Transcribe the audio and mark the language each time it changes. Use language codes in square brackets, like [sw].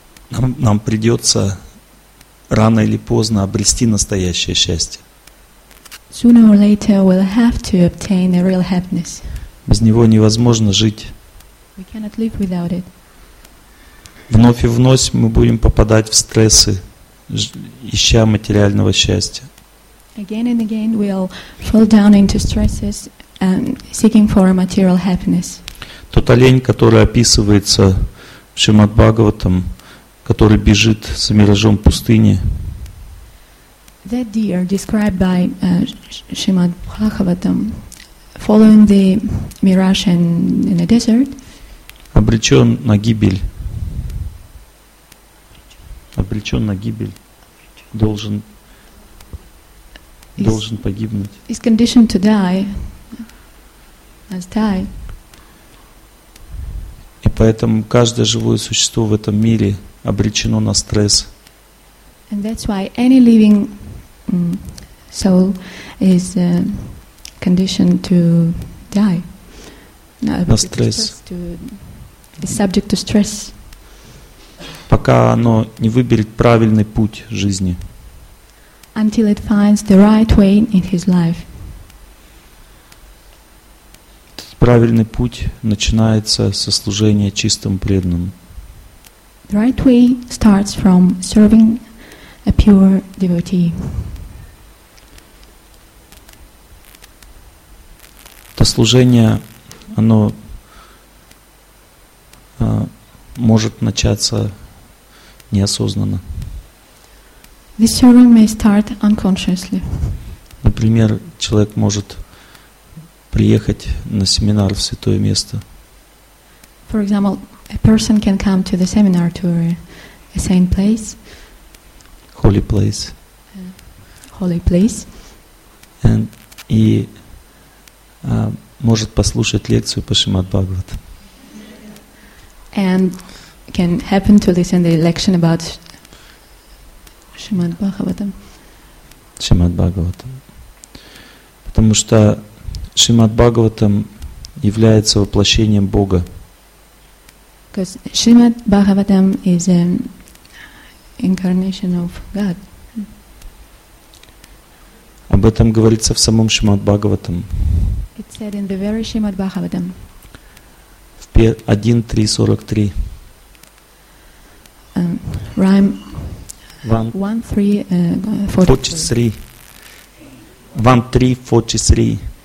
[ru] нам придется рано или поздно обрести настоящее счастье. [en] Sooner or later we'll have to obtain a real happiness. [ru] Без него невозможно жить. [en] We cannot live without it. [ru] Вновь и вновь мы будем попадать в стрессы, ища материального счастья. [en] Again and again we'll fall down into stresses. Seeking for a material happiness. [ru] Тот олень, который описывается в Шримад Бхагаватам, который бежит с миражом пустыни. [en] That deer described by Shrimad Bhagavatam, following the mirage in a desert. [ru] Обречен на гибель. Обречен на гибель. Должен погибнуть. [en] Is conditioned to die. As die. [ru] И поэтому каждое живое существо в этом мире обречено на стресс. [en] And that's why any living soul is conditioned to die. [ru] На стресс. [en] Is subject to stress. [ru] Пока оно не выберет правильный путь жизни. [en] Until it finds the right way in his life. [ru] Правильный путь начинается со служения чистым преданным. [en] The right way starts from serving a pure devotee. [ru] Это служение, оно может начаться неосознанно. [en] This serving may start unconsciously. [ru] Например, человек может приехать на семинар в святое место. [en] For example, a person can come to the seminar to a saint place. Holy place. Holy place. And и [ru] может послушать лекцию по Шримад Бхагаватам. [en] And can happen to listen the lecture about Шримад Бхагаватам. [ru] Шримад Бхагаватам. Потому что Шримад Бхагаватам является воплощением Бога. [en] Because Shrimad Bhagavatam is an incarnation of God. [ru] Об этом говорится в самом Шримад Бхагаватам. [en] It said in the very Shrimad Bhagavatam. 1.3.43. Rhyme 1.3.43.